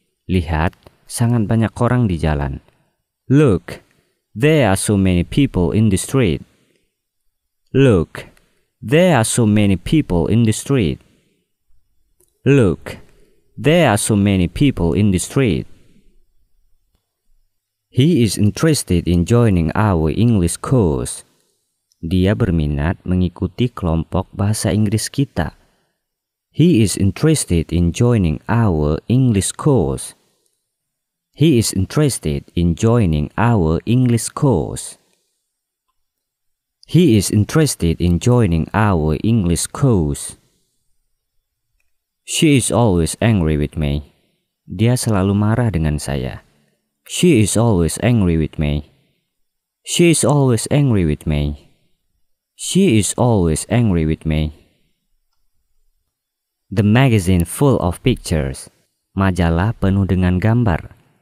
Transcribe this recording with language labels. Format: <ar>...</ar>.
<id>Lihat, sangat banyak orang di jalan.</id> <en>Look, there are so many people in the street. Look, there are so many people in the street. Look, there are so many people in the street. He is interested in joining our English course.</en> <id>Dia berminat mengikuti kelompok bahasa Inggris kita.</id> <en>He is interested in joining our English course. He is interested in joining our English course. He is interested in joining our English course. She is always angry with me.</en> <id>Dia selalu marah dengan saya.</id> <en>She is always angry with me. She is always angry with me. She is always angry with me. The magazine full of pictures.</en> <id>Majalah penuh dengan gambar.</id>